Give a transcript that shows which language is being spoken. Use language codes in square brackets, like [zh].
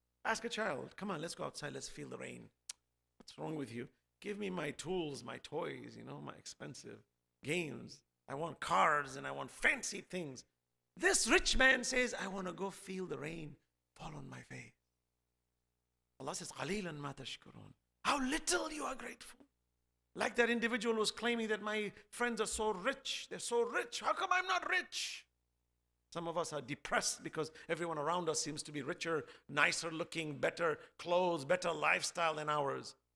[en] Ask a child, come on, let's go outside, let's feel the rain. What's wrong with you? Give me my tools, my toys, you know, my expensive games. I want cars and I want fancy things. This rich man says, I want to go feel the rain fall on my face. Allah says, [ar] قَلِيلًا مَا تَشْكُرُونَ. [en] How little you are grateful. Like that individual who's claiming that my friends are so rich. They're so rich. How come I'm not rich? Some of us are depressed because everyone around us seems to be richer, nicer looking, better clothes, better lifestyle than ours.